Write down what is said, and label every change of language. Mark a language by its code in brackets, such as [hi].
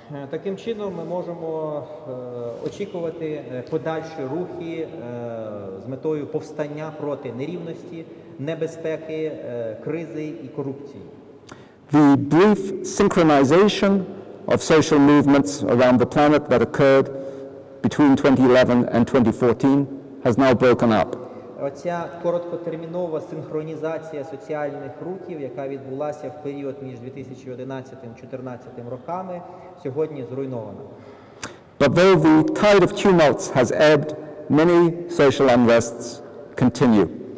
[uk] Таким чином ми можемо очікувати подальші рухи з метою повстання проти нерівності, небезпеки, кризи і корупції. [en] The brief synchronization of social movements around the planet that occurred between 2011 and 2014 has now broken up. [uk] Оця короткотермінова синхронізація соціальних рухів, яка відбулася в період між 2011-2014 роками, сьогодні зруйнована. [en] But though the tide of tumults has ebbed, many social unrests continue.